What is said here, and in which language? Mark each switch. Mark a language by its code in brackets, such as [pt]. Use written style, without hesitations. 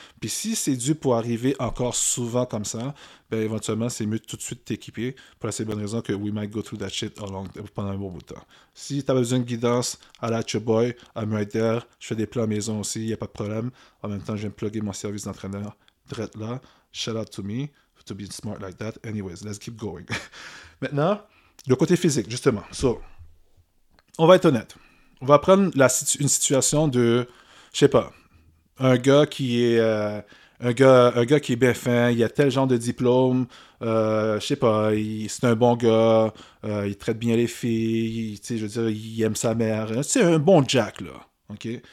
[fr] Puis si c'est dû pour arriver encore souvent comme ça, ben éventuellement, c'est mieux tout de suite t'équiper pour la simple bonne raison que [en] we might go through that shit [fr] pendant un bon bout de temps. Si tu as besoin de guidance, à la Chew Boy, [en] I'm right there. [fr] Je fais des plans maison aussi, il n'y a pas de problème. En même temps, je viens de plugger mon service d'entraîneur direct là. [en] Shout out to me to be smart like that. Anyways, let's keep going. [fr] Maintenant, le côté physique, justement. So, on va être honnête. On va prendre une situation de, je sais pas, un gars qui est bien fin, il a tel genre de diplôme, je sais pas, c'est un bon gars, il traite bien les filles, tu sais, je veux dire, il aime sa mère, c'est un bon Jack là, ok?